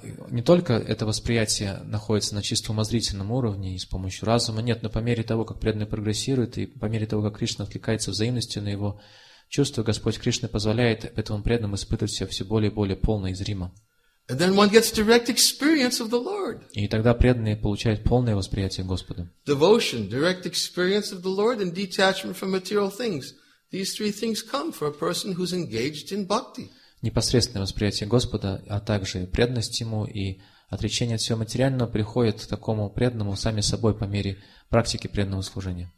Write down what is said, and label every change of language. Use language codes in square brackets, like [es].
[ru] Не только это восприятие находится на чисто умозрительном уровне и с помощью разума, нет, но по мере того, как преданный прогрессирует, и по мере того, как Кришна откликается взаимностью на его чувства, Господь Кришна позволяет этому преданному испытывать себя все более и более полно и зримо. [en] And then one gets direct experience of the Lord. [ru] И тогда преданный получает полное восприятие Господа. [en] Devotion, direct experience of the Lord and detachment from material things. These three things come for a person who's engaged in bhakti. [ru] Непосредственное восприятие Господа, а также преданность Ему и отречение от всего материального приходит к такому преданному сами собой по мере практики преданного служения.